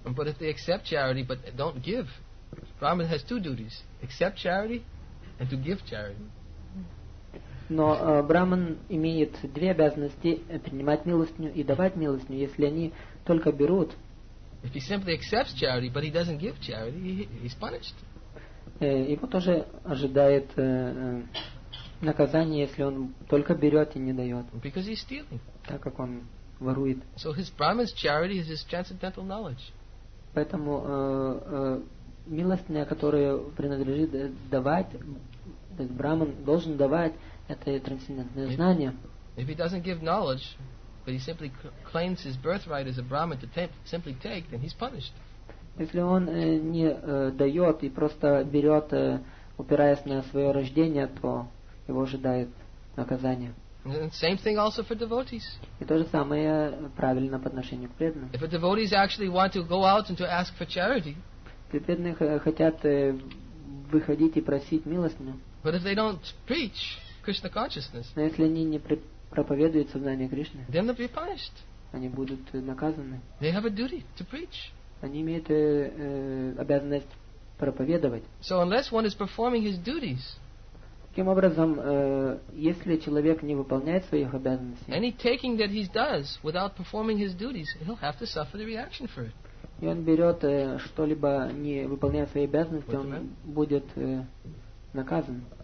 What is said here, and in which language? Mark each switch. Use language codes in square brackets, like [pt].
[en] But if they accept charity but don't give, Brahman has two duties: accept charity and to give charity. [ru] Но брахман имеет две обязанности: принимать милостыню и давать милостыню. Если они только берут, [en] if he simply accepts charity but he doesn't give charity, he's punished. [ru] Его тоже ожидает наказание, если он только берет и не дает. [en] Because he's stealing. [ru] Так как он ворует. [en] So his Brahman's charity is his transcendental knowledge. [ru] Поэтому милостыня, которую принадлежит давать, то есть Брахман должен давать, это трансцендентное знание. [en] If he doesn't give knowledge, but he simply claims his birthright as a Brahman to simply take, then he's punished. [ru] Если он не дает и просто берет, упираясь на свое рождение, то его ожидает наказание. [en] And same thing also for devotees. [ru] И то же самое правильно по отношению к преданным. [en] If the devotees actually want to go out and to ask for charity, [ru] если преданные хотят выходить и просить милостыню, [en] but if they don't preach Krishna consciousness, [ru] но если они не проповедуют сознание Кришны, [en] then they'll be punished. [ru] Они будут наказаны. [en] They have a duty to preach. [ru] Они имеют обязанность проповедовать. [en] So unless one is performing his duties, [ru] таким образом, если человек не выполняет своих обязанностей, [en] any taking that he does without performing his duties, he'll have to suffer the reaction for it. [ru] И он берет что-либо, не выполняя свои обязанности, он будет наказан.